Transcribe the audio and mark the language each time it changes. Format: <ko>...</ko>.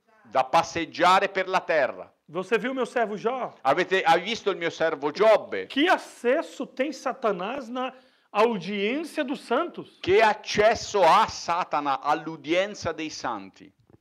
<it>Da passeggiare per la terra.</it> <pt>Você viu meu servo Jó?</pt> <it>Hai visto il mio servo Giobbe?</it> <pt>Che acesso tem Satanás na audiência dos santos?</pt> <it>Che accesso ha Satana all'udienza dei santi?</it>